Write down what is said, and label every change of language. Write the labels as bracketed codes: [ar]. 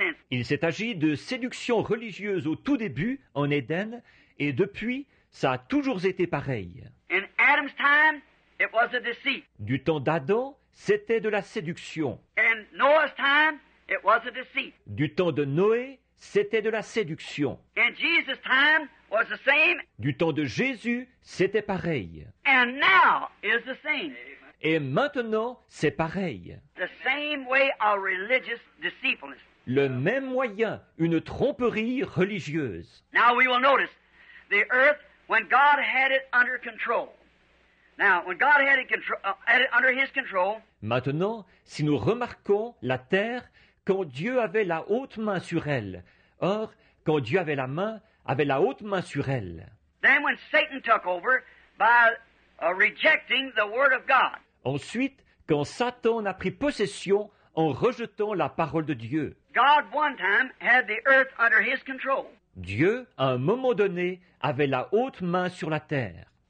[fr] Il s'est agi de séduction religieuse au tout début, en Éden, et depuis, ça a toujours été pareil. [en] In Adam's time, it was a deceit. [fr] Du temps d'Adam, c'était de la séduction. [en] In Noah's time, it was a deceit. [fr] Du temps de Noé, c'était de la séduction. [en] And Jesus' time was the same. [fr] Du temps de Jésus, c'était pareil. [en] And now is the same. [fr] Et maintenant, c'est pareil. [en] The same way of religious deceitfulness. [fr] Le même moyen, une tromperie religieuse. [en] Now we will notice the earth when God had it under control. Now, when God had it, under his control. [fr] Maintenant, si nous remarquons la terre, quand Dieu avait la haute main sur elle. Or, quand Dieu avait la main, avait la haute main sur elle. [en] Then when Satan took over by rejecting the word of God. [fr] Ensuite, quand Satan a pris possession en rejetant la parole de Dieu. [en] God one time had the earth under his control. [fr] Dieu, à un moment donné, avait la haute main sur la terre.